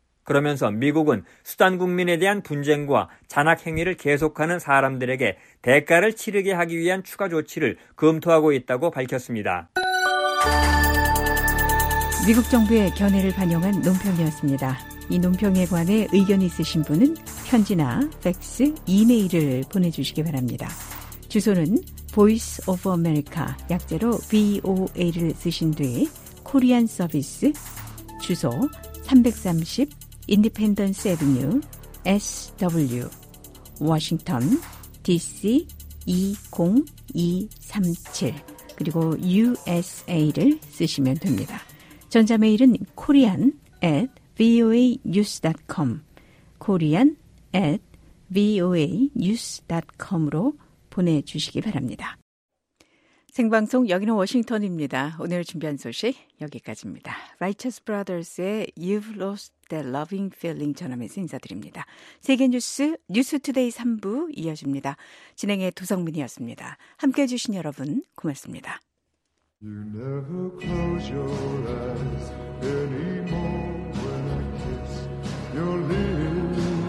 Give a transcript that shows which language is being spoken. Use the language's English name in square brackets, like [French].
[Korean] 그러면서 미국은 수단 국민에 대한 분쟁과 잔악 행위를 계속하는 사람들에게 대가를 치르게 하기 위한 추가 조치를 검토하고 있다고 밝혔습니다. 미국 정부의 견해를 반영한 논평이었습니다. 이 논평에 관해 의견이 있으신 분은 편지나 팩스, 이메일을 보내주시기 바랍니다. 주소는 Voice of America, 약자로 VOA를 쓰신 뒤 Korean Service, 주소 330 Independence Avenue, SW, Washington, DC 20237, 그리고 USA를 쓰시면 됩니다. 전자메일은 korean@voanews.com, korean@voanews.com으로 보내주시기 바랍니다. 생방송 여기는 워싱턴입니다. 오늘 준비한 소식 여기까지입니다. Righteous Brothers의 You've Lost the Loving Feeling 전하면서 인사드립니다. 세계뉴스 뉴스투데이 3부 이어집니다. 진행의 도성민이었습니다. 함께해 주신 여러분 고맙습니다. [English] You never close your eyes anymore when I kiss your lips.